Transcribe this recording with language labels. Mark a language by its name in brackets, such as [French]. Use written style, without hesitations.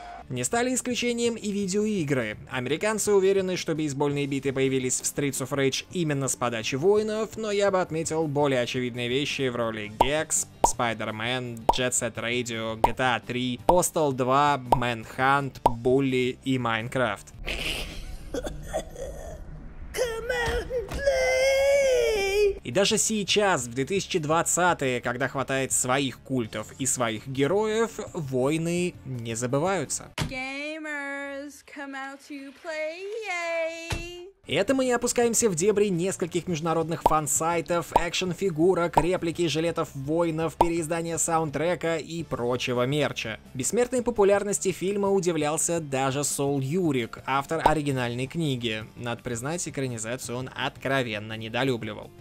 [Russian] Не стали исключением и видеоигры. Американцы уверены, что бейсбольные биты появились в Streets of Rage именно с подачи воинов, но я бы отметил более очевидные вещи в роли Gex, Spider-Man, Jet Set Radio, GTA 3, Postal 2, Manhunt, Bully и Minecraft. И даже сейчас, в 2020-е, когда хватает своих культов и своих героев, войны не забываются. [English] Gamers, come out to play, yay! [Russian] Это мы и опускаемся в дебри нескольких международных фан-сайтов, экшн-фигурок, реплики жилетов воинов, переиздания саундтрека и прочего мерча. Бессмертной популярности фильма удивлялся даже Сол Юрик, автор оригинальной книги. Надо признать, экранизацию он откровенно недолюбливал.